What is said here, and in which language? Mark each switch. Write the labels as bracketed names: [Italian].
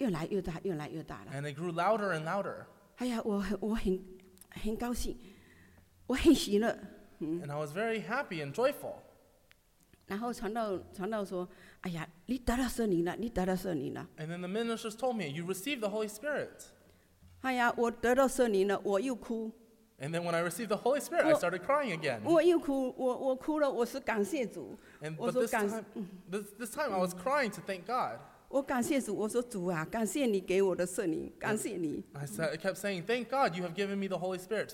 [Chinese] 我有声音，后来刚才那个是小，后来越来越大，越来越大了。 [English] And it grew louder and louder. [Chinese] 哎呀，我很高兴。我很喜乐, [English] and I was very happy and joyful. [Chinese] 然后传道说，哎呀，你得到圣灵了，你得到圣灵了。 [English] And then the ministers told me, you received the Holy Spirit. [Chinese] 哎呀，我得到圣灵了，我又哭。 [English] And then when I received the Holy Spirit, I started crying again. [Chinese] 我又哭，我哭了，我是感谢主。 [English] And this time I was crying to thank God. [Chinese] 我感谢主，我说主啊，感谢你给我的圣灵，感谢你。 [English] I kept saying, thank God you have given me the Holy Spirit.